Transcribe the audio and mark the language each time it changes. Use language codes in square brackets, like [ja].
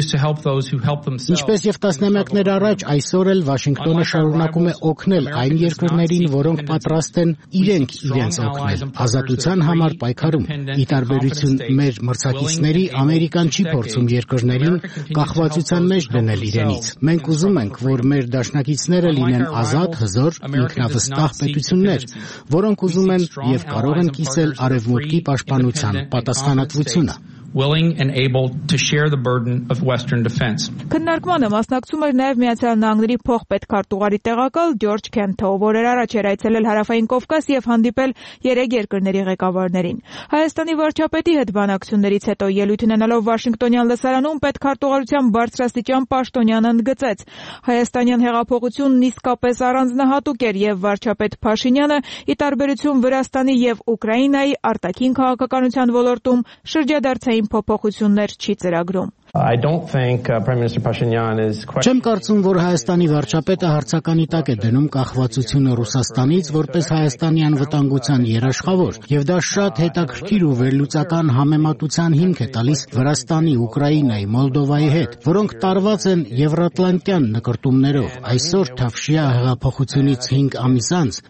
[hy] Ինչպես եւ տասնամյակներ առաջ, այսօր էլ Վաշինգտոնը շարունակում է օգնել այն երկրներին, որոնք պատրաստ են իրենք իրենց օգնել ազատության համար պայքարում։ Ի տարբերություն մեր մրցակիցների, Ամերիկան չի փորձում երկրներին կախվածության մեջ դնել իրենից։ Մենք ուզում ենք, որ մեր դաշնակիցները լինեն ազատ, հզոր, ինքնավստահ պետություններ, որոնք ուզում են եւ կարող են կիսել արևմուտքի պաշտպանության պատասխանատվությունը։ [en] Willing and able to share the burden of Western defense. [hy] Քննարկմանը մասնակցում էր նաև Միացյալ Նահանգների փոխպետքարտուղարի տեղակալ Ջորջ Քենթո, որը առաջ էր այցելել Հարավային Կովկաս և հանդիպել երեք երկրների ղեկավարներին։ Հայաստանի վարչապետի հետ բանակցություններից հետո ելույթ ունենալով Վաշինգտոնյան լսարանում պետքարտուղարության բարձրաստիճան պաշտոնյանը ընդգծեց. Հայաստանյան հեղափոխությունն իսկապես առանձնահատուկ էր և վարչապետ Փաշինյանը, ի տարբերություն Վրաստանի և Ուկրաինայի, արտաքին քաղաքականության ոլորտում շրջադարձ ցային փոփոխություններ չի ծրագրում։ [en] I don't think Prime Minister Pashinyan is quite [hy] Չեմ կարծում, որ Հայաստանի վարչապետը հարցականի տակ է դնում կախվածությունը Ռուսաստանից որպես հայաստանյան վտանգության երաշխավոր, եւ դա շատ հետաքրքիր ու վերլուծական համեմատության հիմք է տալիս Վրաստանի, Ուկրաինայի, Մոլդովայի հետ, որոնք տարված են Եվրատլանտյան նկարտումներով։ Այսօր Թավշիա հեղափոխությունից 5 ամիս անց,